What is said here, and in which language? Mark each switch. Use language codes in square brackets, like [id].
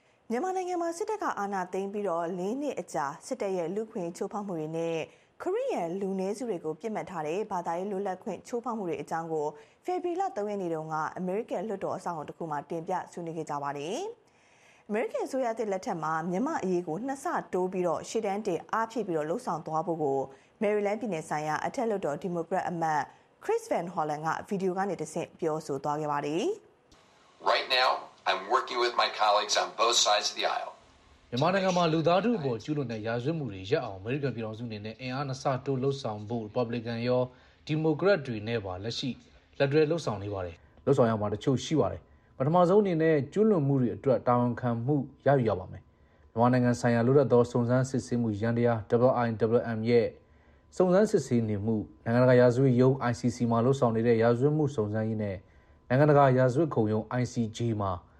[my] မြန်မာနိုင်ငံမှာစစ်တပ်ကအာဏာသိမ်းပြီးတော့၄နှစ်အကြာစစ်တပ်ရဲ့လူခွင့်ချိုးဖောက်မှုတွေနဲ့ကိုရီးယားလူနည်းစုတွေကိုပိတ်မထားတဲ့ဘာသာရေးလွတ်လပ်ခွင့်ချိုးဖောက်မှုတွေအကြောင်းကိုဖေဗရူလာ3ရက်နေ့တုန်းကအမေရိကန်လွှတ်တော်အဆောက်အအုံတစ်ခုမှတင်ပြဆွေးနွေးခဲ့ကြပါတယ်။အမေရိကန်ဆိုရတဲ့လက်ထက်မှာမြန်မာအရေးကိုနှစ်ဆတိုးပြီးတော့ရှေ့တန်းတင်အားဖြည့်ပြီးတော့လှုပ်ဆောင်သွားဖို့ကိုမေရီလန်းပြည်နယ်ဆိုင်ရာအထက်လွှတ်တော်ဒီမိုကရက်အမတ်ခရစ်ဗန်ဟော်လန်ကဗီဒီယိုကနေတဆင့်ပြောဆိုသွားခဲ့ပါတယ် [en] ။ Right nowI'm working with my colleagues on both sides of the aisle. [my] မြန်မာနိုင်ငံမှာလူသားထုအပေါ်ကျူးလွန်တဲ့ရာဇဝတ်မှုတွေရပ်အောင်အမေရိကန်ပြည်ထောင်စုအနေနဲ့အင်အားနှစ်ဆတိုးလှုပ်ဆောင်ဖို့ Republican ရော Democrat တွေနဲ့ပါလက်ရှိလက်တွဲလှုပ်ဆောင်နေပါတယ်။လှုပ်ဆောင်ရမှာတချို့ရှိပါတယ်။ပထမဆုံးအနေနဲ့ကျူးလွန်မှုတွေအတွက်တာဝန်ခံမှုရယူရပါမယ်။မြန်မာနိုင်ငံဆိုင်ရာလိုအပ်သောစုံစမ်းစစ်ဆေးမှုရန်တရား WIWM ရဲ့စုံစမ်းစစ်ဆေးနေမှုနိုင်ငံတကာရာဇဝတ်ရုံး ICC မှာလှုပ်ဆောင်နေတဲ့ရာဇဝတ်မှုစုံစမ်းရေးနဲ့နိုင်ငံတကာရာဇဝတ်ခုံရုံး ICJ မှာ